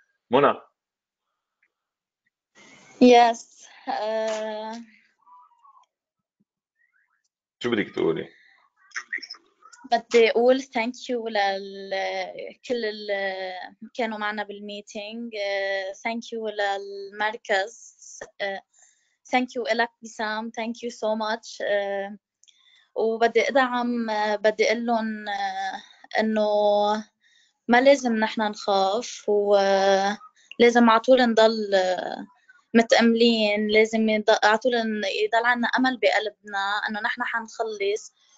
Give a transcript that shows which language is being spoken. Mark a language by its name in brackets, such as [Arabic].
[Arabic] منى. [English] Yes. [Arabic] شو بدك تقولي؟ بدي أقول [English] thank you [Arabic] لكل اللي كانوا معنا بالميتينج. [English] Thank you [Arabic] للمركز. [English] Thank you [Arabic] إلك [English] بسام. Thank you so much. [Arabic] وبدي أدعم، بدي أقول لهم أنه ما لازم نحن نخاف، ولازم عطول نضل متأملين، لازم عطول يضل عنا أمل بقلبنا أنه نحن حنخلص.